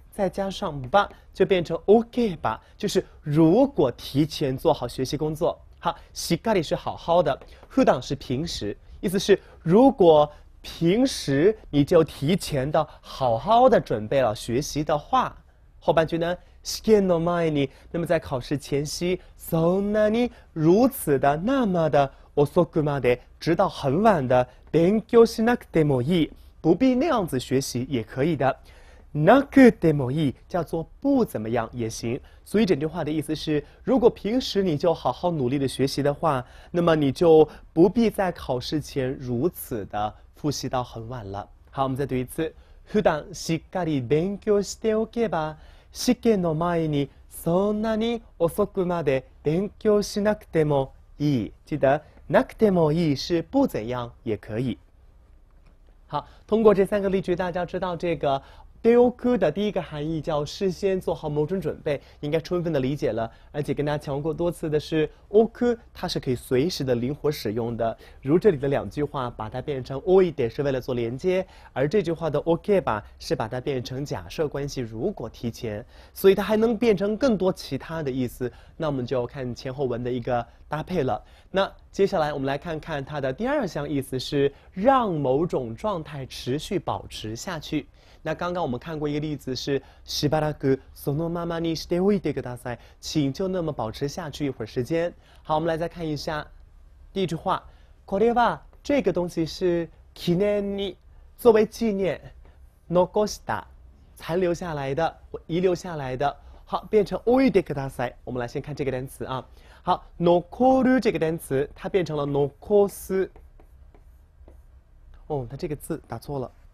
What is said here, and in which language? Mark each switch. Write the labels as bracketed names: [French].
[Chinese] 再加上吧，就变成 OK 吧，就是如果提前做好学习工作，好，しっかり是好好的，普段是平时，意思是如果平时你就提前的好好的准备了学习的话，后半句呢， [Japanese] 試験の前に， [Chinese] 那么在考试前夕， [Japanese] そんなに [Chinese] 如此的那么的 [Japanese] 遅くまで， [Chinese] 直到很晚的 [Japanese] 勉強しなくてもいい， [Chinese] 不必那样子学习也可以的。なくてもいい叫做不怎么样也行，所以整句话的意思是，如果平时你就好好努力的学习的话，那么你就不必在考试前如此的复习到很晚了。好，我们再读一次。 [Japanese] 普段しっかり勉強しておけば、試験の前にそんなに遅くまで勉強しなくてもいい。 [Chinese] 记得なくてもいい是不怎样也可以。好，通过这三个例句，大家知道这个丢哭的第一个含义叫事先做好某种准备，应该充分的理解了。而且跟大家强调过多次的是，おく它是可以随时的灵活使用的。如这里的两句话，把它变成おいて是为了做连接，而这句话的おけば是把它变成假设关系，如果提前，所以它还能变成更多其他的意思。那我们就看前后文的一个搭配了。那接下来我们来看看它的第二项意思是让某种状态持续保持下去。那刚刚我们看过一个例子是 [Japanese] しばらくそのままにしておいてください， [Chinese] 请就那么保持下去一会儿时间。好，我们来再看一下第一句话， [Japanese] これは [Chinese] 这个东西是 [Japanese] 記念に [Chinese] 作为纪念， [Japanese] 残した [Chinese] 残留下来的遗留下来的，好，变成おいてください。我们来先看这个单词啊，好，残る这个单词它变成了残す。哦，它这个字打错了。